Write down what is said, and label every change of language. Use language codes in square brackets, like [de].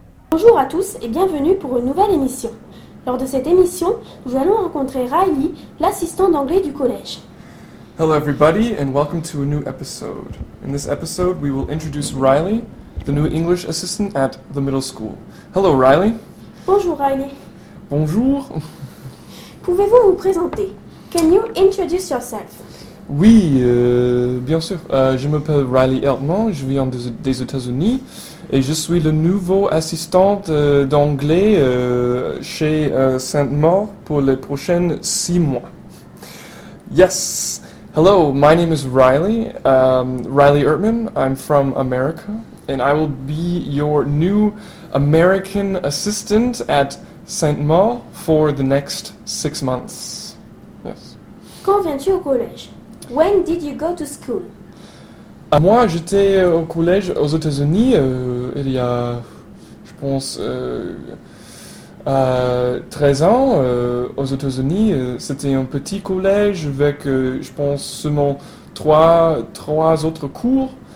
[fr] Bonjour à tous et bienvenue pour une nouvelle émission. Lors de cette émission, nous allons rencontrer Riley, l'assistant d'anglais du collège. [en] Hello everybody and welcome to a new episode. In this episode, we will introduce Riley, the new English assistant at the middle school. Hello Riley. [fr] Bonjour Riley. Bonjour. Pouvez-vous vous présenter? [en] Can you introduce yourself? [fr] Oui, bien sûr. Je m'appelle Riley Erdman, je viens des États-Unis et je suis le nouveau assistant d'anglais chez Sainte-Maure pour les prochaines 6 mois. [en] Yes. Hello, my name is Riley, Riley Erdman. I'm from America, and I will be your new American assistant at Sainte-Maure for the next 6 months. Yes. [fr] Quand viens-tu au collège? [en] When did you go to school? [fr] Moi, j'étais au collège aux États-Unis il y a, je pense, 13 ans aux États-Unis. C'était un petit collège avec, je pense, seulement trois autres cours.